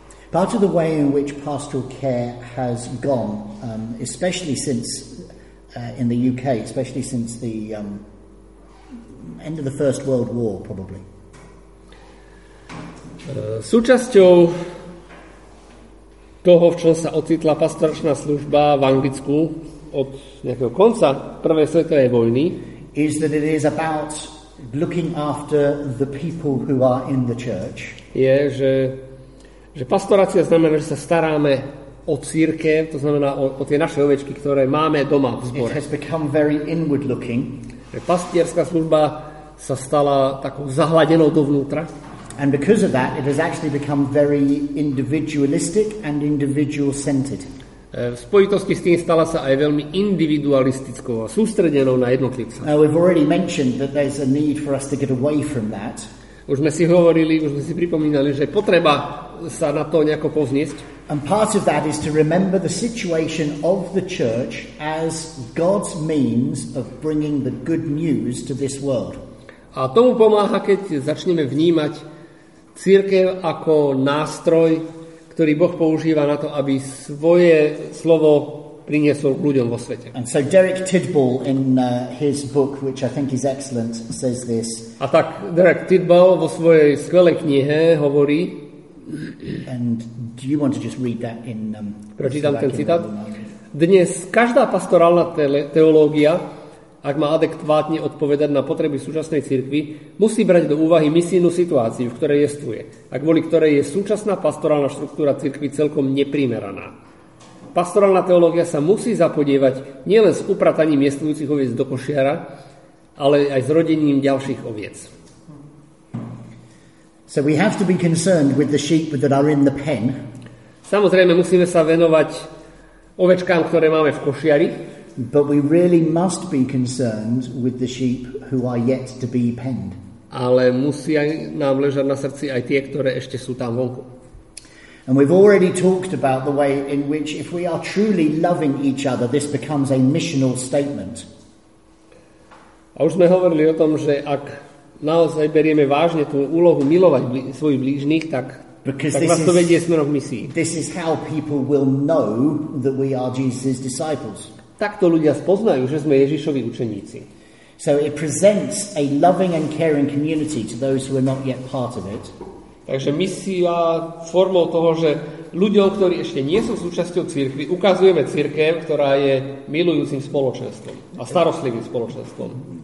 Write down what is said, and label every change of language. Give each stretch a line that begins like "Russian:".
English: Part of the way in which pastoral care has gone, especially since in the UK, especially since the end of the First World War, probably.
Slovak: Súčasťou toho, v čom sa ocitla pastoračná služba v Anglicku od nejakého konca prvej svetovej vojny,
English: is that it is about looking after the people who are in the church.
Slovak: Je, že pastorácia znamená, že sa staráme o cirkev, to znamená o tie naše ovečky, ktoré máme doma v zbore.
English: It has become very inward looking.
Slovak: Že pastierská služba sa stala takou zahladenou dovnútra.
English: And because of that, it has actually become very individualistic and individual-centered.
Slovak: V spojitosti s tým stala sa aj veľmi individualistickou a sústredenou na jednotlivca.
English: Now we've already mentioned that there's a need for us to get away from that.
Slovak: Už sme si hovorili, už sme si pripomínali, že potreba sa na to nejako povzniesť.
English: And part of that is to remember the situation of the church as God's means of bringing the good news to this world.
Slovak: A tomu pomáha, keď začneme vnímať cirkev ako nástroj, ktorý Boh používa na to, aby svoje slovo priniesol ľuďom vo svete.
English: And so Derek Tidball in his book, which I think is excellent, says this.
Slovak: A tak Derek Tidball vo svojej skvelej knihe hovorí.
English: And do you want to just read that in
Slovak: prečítam ten citát. Dnes každá pastorálna teológia, ak má adekvátne odpovedať na potreby súčasnej cirkvi, musí brať do úvahy misijnú situáciu, v ktorej jestvuje, a kvôli ktorej je súčasná pastorálna štruktúra cirkvi celkom neprimeraná. Pastorálna teológia sa musí zapodievať nielen s uprataním jestvujúcich oviec do košiara, ale aj s rodením ďalších oviec.
English: So we have to be concerned with the sheep that are in the pen.
Slovak: Samozrejme musíme sa venovať ovečkám, ktoré máme v košiari.
English: But we really must be concerned with the sheep who are yet to be penned.
Slovak: Ale musí nám ležať na srdci aj tie, ktoré ešte sú tam vonku.
English: And we've already talked about the way in which if we are truly loving each other, this becomes a missional statement.
Slovak: A už sme hovorili o tom, že ak naozaj berieme vážne tú úlohu milovať svojich blížnych, tak vás to vedie smerom k misii.
English: This is how people will know that we are Jesus' disciples.
Slovak: Takto ľudia spoznajú, že sme Ježišovi učeníci.
English: So it presents a loving and caring community to those who are not yet part of it.
Slovak: Takže misia formou toho, že ľuďom, ktorí ešte nie sú súčasťou cirkvi, ukazujeme cirkev, ktorá je milujúcim spoločenstvom a starostlivým spoločenstvom.